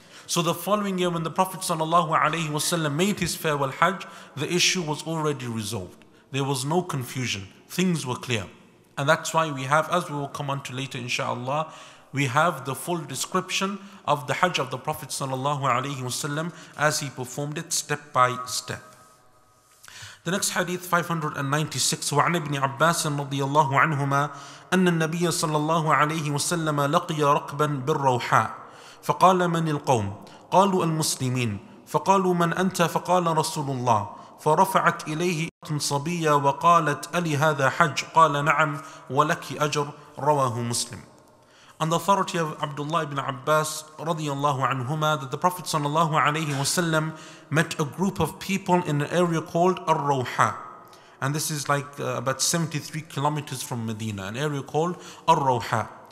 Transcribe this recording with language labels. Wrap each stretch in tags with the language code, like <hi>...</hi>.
<en>So the following year when the Prophet ﷺ made his farewell Hajj, the issue was already resolved. There was no confusion. Things were clear. And that's why we have, as we will come on to later inshallah, we have the full description of the Hajj of the Prophet ﷺ as he performed it step by step. The next hadith, 596,</en> <ar>وعن ابن عباس رضي الله عنهما أن النبي صلى الله عليه وسلم لقي ركبا بالروحاء فقال من القوم؟ قالوا المسلمين. فقالوا من أنت؟ فقال رسول الله. فرفعت إليه صبية وقالت ألي هذا حج؟ قال نعم ولك أجر. رواه مسلم.</ar> <en>On the authority of Abdullah ibn Abbas</en> <ar>رضي الله عنهما</ar> <en>that the Prophet</en> <ar>صلى الله عليه وسلم</ar> <en>met a group of people in an area called Ar-Rawha. And this is like about 73 kilometers from Medina, an area called Ar-Rawha.</en>